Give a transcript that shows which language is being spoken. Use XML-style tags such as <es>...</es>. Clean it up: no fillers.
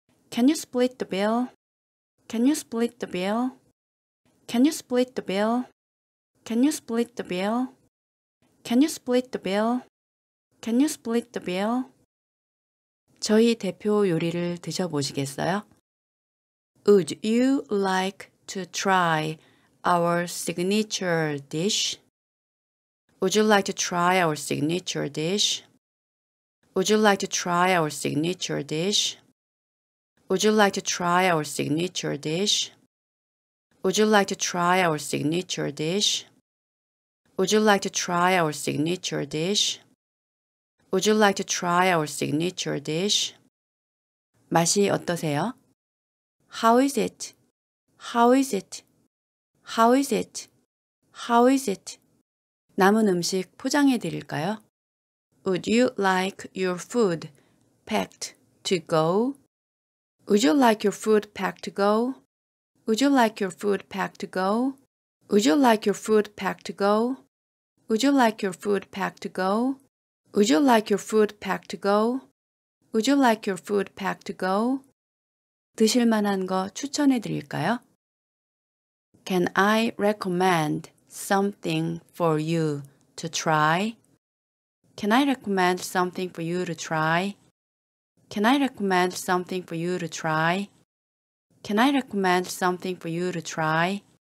<en>Can you split the bill? Can you split the bill? Can you split the bill? Can you split the bill? Can you split the bill? Can you split the bill?</en> <ko>저희 대표 요리를 드셔보시겠어요?</ko> <en>Would you like to try our signature dish? Would you like to try our signature dish? Would you like to try our signature dish? Would you like to try our signature dish? Would you like to try our signature dish? Would you like to try our signature dish? Would you like to try our signature dish?</en> <ko>맛이 어떠세요?</ko> <en>How is it? How is it? How is it? How is it?</en> <ko>남은 음식 포장해 드릴까요?</ko> <en>Would you like your food packed to go? Would you like your food packed to go? Would you like your food packed to go? Would you like your food packed to go? Would you like your food packed to go? Would you like your food packed to go? Would you like your food packed to go?</en> <ko>드실 만한 거 추천해 드릴까요?</ko> <en>Can I recommend something for you to try? Can I recommend something for you to try? Can I recommend something for you to try? Can I recommend something for you to try?</en>